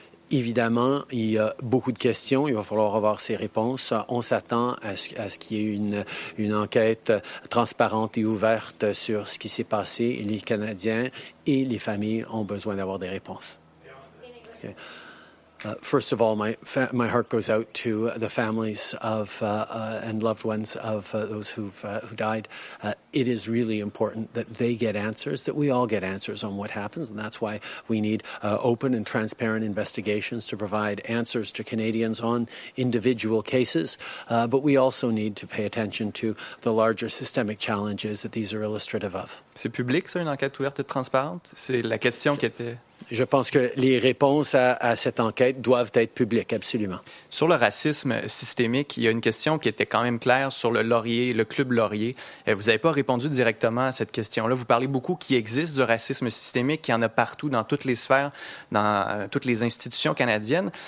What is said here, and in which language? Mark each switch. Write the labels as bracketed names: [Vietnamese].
[French] Évidemment, il y a beaucoup de questions. Il va falloir avoir ces réponses. On s'attend à ce qu'il y ait une enquête transparente et ouverte sur ce qui s'est passé. Les Canadiens et les familles ont besoin d'avoir des réponses. [English] Okay. First of all, my heart goes out to the families of and loved ones of those who died. It is really important that they get answers, that we all get answers on what happens, and that's why we need open and transparent investigations to provide answers to Canadians on individual cases. But we also need to pay attention to the larger systemic challenges that these are illustrative of. [French] C'est public, ça, une enquête ouverte et transparente? C'est la question qui était... Je pense que les réponses à cette enquête doivent être publiques, absolument. Sur le racisme systémique, il y a une question qui était quand même claire sur le Laurier, le Club Laurier. Vous n'avez pas répondu directement à cette question-là. Vous parlez beaucoup qu'il existe du racisme systémique, qu'il y en a partout dans toutes les sphères, dans toutes les institutions canadiennes.